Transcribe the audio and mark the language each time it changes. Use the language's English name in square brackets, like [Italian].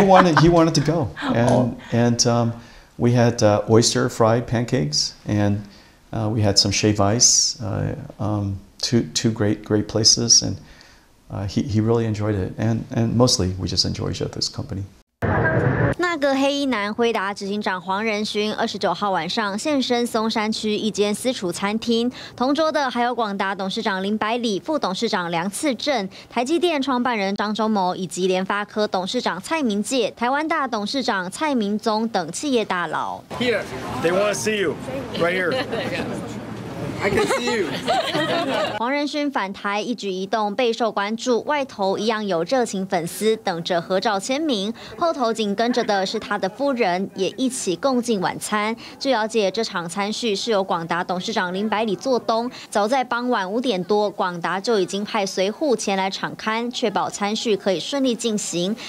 [English] He wanted to go. And we had oyster fried pancakes, and we had some shave ice, two great, great places. And he really enjoyed it. And mostly, we just enjoy each other's company. [Chinese] 那个黑衣男回答执行长黄仁勋29号晚上现身松山区一间私厨餐厅，同桌的还有广达董事长林百里、副董事长梁次正、台积电创办人张忠谋以及联发科董事长蔡明介、台湾大董事长蔡明宗等企业大佬。 [English] Here, they want to see you, right here. I can see you. [Chinese] 黄仁勋返台一举一动备受关注，外头一样有热情粉丝等着合照签名，后头紧跟着的是他的夫人，也一起共进晚餐。据了解，这场餐叙是由广达董事长林百里做东，早在傍晚5点多，广达就已经派随扈前来场刊，确保餐叙可以顺利进行。